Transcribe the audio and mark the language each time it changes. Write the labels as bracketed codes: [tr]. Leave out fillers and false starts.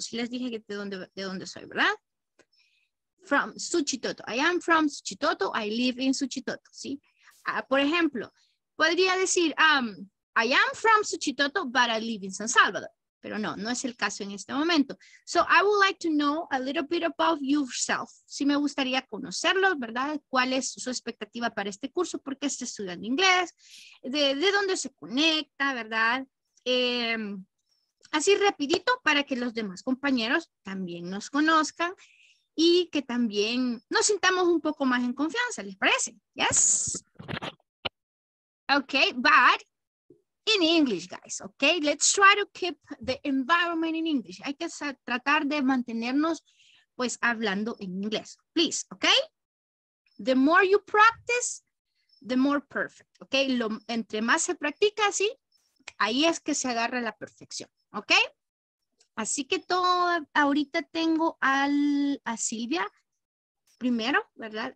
[es] Sí, les dije que de dónde soy, ¿verdad? [en] From Suchitoto. I am from Suchitoto. I live in Suchitoto. [es] Sí. Por ejemplo, podría decir, [en] I am from Suchitoto, but I live in San Salvador. [es] Pero no, no es el caso en este momento. [en] So I would like to know a little bit about yourself. [es] Sí, me gustaría conocerlos, ¿verdad? ¿Cuál es su expectativa para este curso? ¿Por qué está estudiando inglés? ¿De dónde se conecta, verdad? Así rapidito para que los demás compañeros también nos conozcan y que también nos sintamos un poco más en confianza, ¿les parece? [en] Yes. Okay, but in English, guys. Okay, let's try to keep the environment in English. [es] Hay que tratar de mantenernos, pues, hablando en inglés. [en] Please, okay? The more you practice, the more perfect. [es] Okay, entre más se practica, sí, ahí es que se agarra la perfección. Okay? Así que ahorita tengo a Silvia primero, ¿verdad?